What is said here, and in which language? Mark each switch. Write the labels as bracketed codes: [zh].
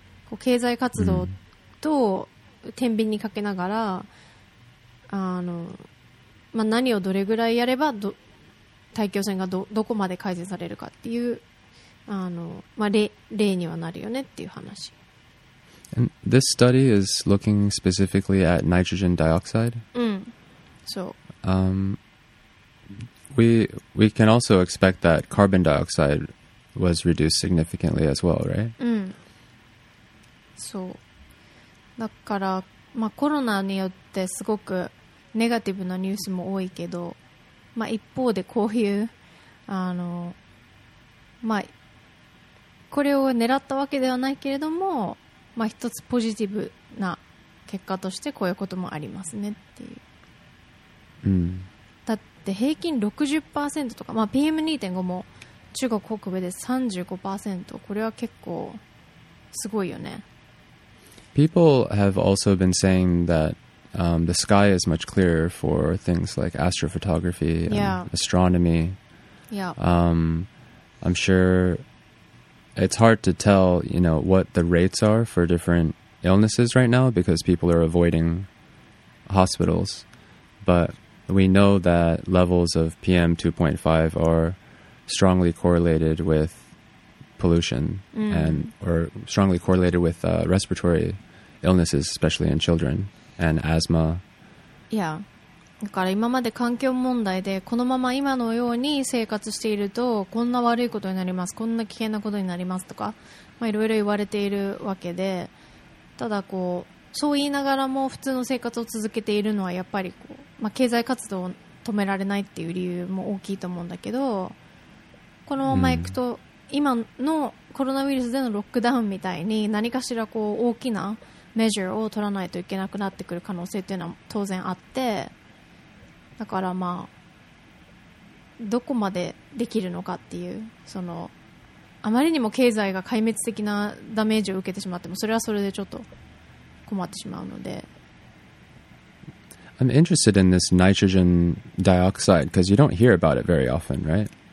[ja] こう経済活動って、うんと天秤にかけながら、あの、まあ、何をどれぐらいやれば大気汚染が どこまで改善されるかっていう、あの、まあ、例にはなるよねっていう話。 [en] And this study is looking specifically at nitrogen dioxide? [ja] うん、そう。 [en] We can also expect that carbon dioxide was reduced significantly as well, right? [ja] うん、そう。だから、まあ、コロナによってすごくネガティブなニュースも多いけど、まあ、一方でこういう、あの、まあ、これを狙ったわけではないけれども、まあ、一つポジティブな結果としてこういうこともありますねっていう、うん、だって平均 60% とか、まあ、PM2.5 も中国北部で 35%、 これは結構すごいよね。 [en] People have also been saying that the sky is much clearer for things like astrophotography and astronomy. I'm sure it's hard to tell, you know, what the rates are for different illnesses right now because people are avoiding hospitals. But we know that levels of PM2.5 are strongly correlated with pollution and or strongly correlated with respiratory illnesses, especially in children, and asthma. Yeah. [ja] だから今まで環境問題でこのまま今のように生活しているとこんな悪いことになります、こんな危険なことになりますとか、まあ、いろいろ言われているわけで、ただこうそう言いながらも普通の生活を続けているのはやっぱりこう、まあ、経済活動を止められないっていう理由も大きいと思うんだけど、このまま行くと今のコロナウイルスでのロックダウンみたいに何かしらこう大きなメジャーを取らないといけなくなってくる可能性っていうのは当然あって、だからまあどこまでできるのかっていう、そのあまりにも経済が壊滅的なダメージを受けてしまってもそれはそれでちょっと困ってしまうので、 [en] I'm interested in this nitrogen dioxide because you don't hear about it very often, right?